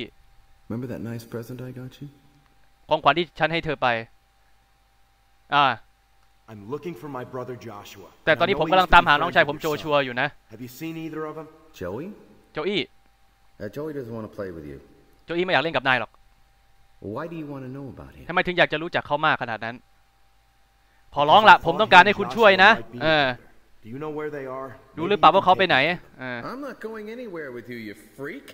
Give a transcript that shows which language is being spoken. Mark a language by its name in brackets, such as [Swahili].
[English] Remember that nice present I got you? [Thai] ของขวัญที่ฉันให้เธอไป [English] I'm looking for my brother Joshua. [Thai] แต่ตอนนี้ผมกำลังตามหาน้องชายผมโจชัวอยู่นะ [English] Have you seen either of them? Joey? Joey. Joey doesn't want to play with you. [Thai] Joey ไม่อยากเล่นกับนายหรอก [English] Why do you want to know about him? [Thai] ทำไมถึงอยากจะรู้จักเขามากขนาดนั้นพอร้องละผมต้องการให้คุณช่วยนะ [English] Do you know where they are? [Thai] รู้หรือเปล่าว่าเขาไปไหน [English] I'm not going anywhere with you, you freak.